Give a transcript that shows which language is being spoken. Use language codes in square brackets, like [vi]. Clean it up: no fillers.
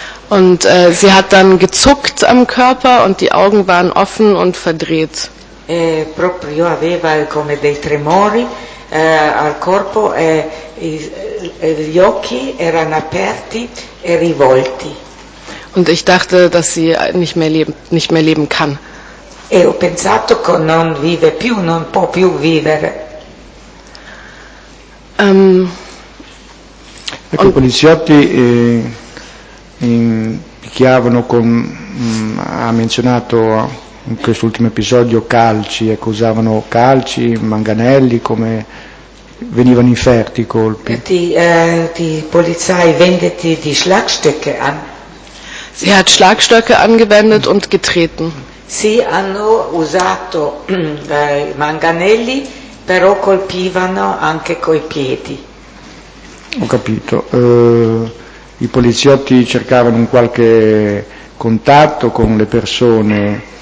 [de] Und sie hat dann gezuckt am Körper und die Augen waren offen und verdreht. [it] E proprio aveva come dei tremori al corpo e gli occhi erano aperti e rivolti. [de] Und ich dachte, dass sie nicht mehr leben kann. [it] E ho pensato che non vive più, non può più vivere. Ecco, i poliziotti picchiavano con, ha menzionato in quest'ultimo episodio, calci, ecco, usavano calci, manganelli, come venivano inferti i colpi? [de] Die Polizei wendete die Schlagstöcke an. Sie hat Schlagstöcke angewendet und getreten. [it] Sie hanno usato manganelli, però colpivano anche coi piedi. Ho capito. I poliziotti cercavano un qualche contatto con le persone.